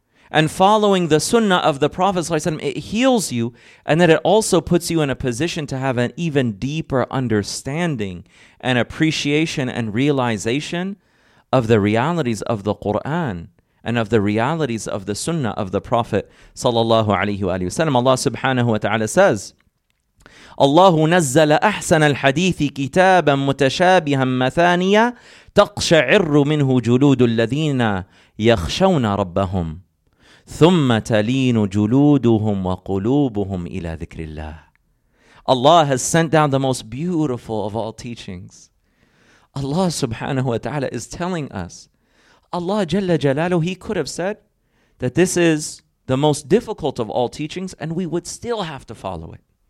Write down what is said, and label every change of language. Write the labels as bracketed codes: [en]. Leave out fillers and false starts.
[en] And following the sunnah of the Prophet ﷺ, it heals you, and that it also puts you in a position to have an even deeper understanding and appreciation and realization of the realities of the Qur'an and of the realities of the sunnah of the Prophet ﷺ. Allah subhanahu wa ta'ala says, [ar] اللَّهُ نَزَّلَ أَحْسَنَ الْحَدِيثِ كِتَابًا مُتَشَابِهًا مَثَانِيًا تَقْشَعِرُّ مِنْهُ جُلُودُ الَّذِينَ يَخْشَوْنَ رَبَّهُمْ ثُمَّ تَلِينُ جُلُودُهُمْ وَقُلُوبُهُمْ إِلَى ذِكْرِ اللَّهِ. [en] Allah has sent down the most beautiful of all teachings. Allah subhanahu wa ta'ala is telling us, Allah jalla jalalu, He could have said that this is the most difficult of all teachings and we would still have to follow it.